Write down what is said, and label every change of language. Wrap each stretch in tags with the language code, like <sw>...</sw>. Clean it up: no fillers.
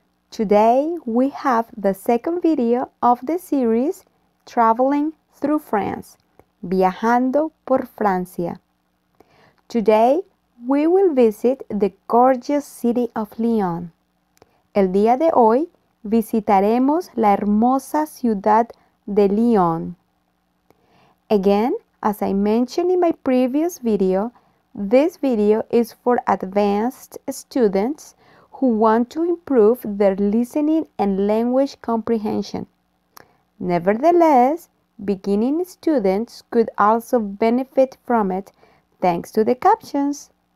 <en>Today we have the second video of the series Traveling Through France.</en> <es>Viajando por Francia.</es> <en>Today we will visit the gorgeous city of Lyon.</en> <es>El día de hoy visitaremos la hermosa ciudad de Lyon.</es> <en>Again, as I mentioned in my previous video, this video is for advanced students who want to improve their listening and language comprehension. Nevertheless, beginning students could also benefit from it thanks to the captions.</en>